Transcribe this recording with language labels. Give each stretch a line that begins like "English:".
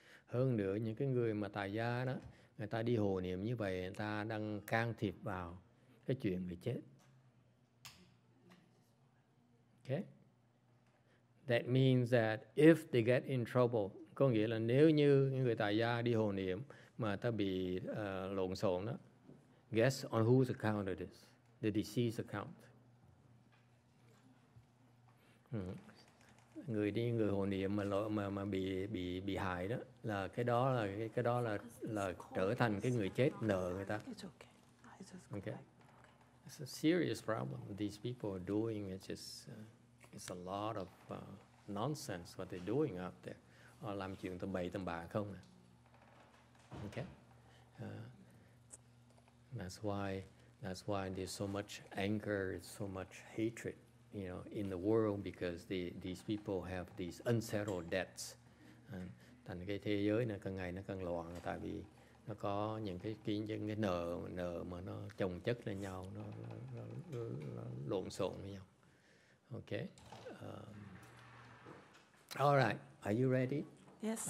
Vietnamese: Hơn nữa, những cái người mà tại gia đó, người ta đi hồ niệm như vậy, người ta đang can thiệp vào cái chuyện người chết.
English: Okay. That means that if they get in trouble,
Vietnamese: có nghĩa là nếu như những người tại gia đi hồ niệm mà ta bị lộn xộn đó,
English: guess on whose account it is? The deceased account.
Vietnamese: Người đi người hồ niệm mà bị hại đó là cái đó là trở thành cái người chết nợ người ta.
English: Okay. It's a serious problem. These people are doing it's a lot of nonsense what they're doing up there.
Vietnamese: Họ làm chuyện tầm bậy tầm bạ không à.
English: Okay. That's why there's so much anger, so much hatred, you know, in the world, because these people have these unsettled debts.
Vietnamese: Thành cái thế giới này càng ngày nó càng loạn, tại vì nó có những cái nợ mà nó chồng chất lên nhau, nó lộn xộn với nhau.
English: Okay. All right. Are you ready? Yes,